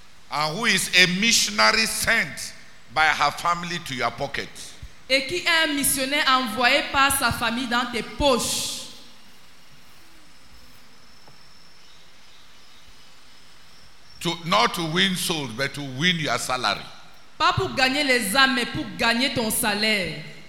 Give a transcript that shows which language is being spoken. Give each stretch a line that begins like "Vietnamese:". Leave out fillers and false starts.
English: And who is a missionary sent by her family to your pocket?
French: Et qui est un missionnaire envoyé par sa famille dans tes poches?
English: Not to win souls, but to win your salary.
French: Pas pour gagner les âmes, mais pour gagner ton salaire.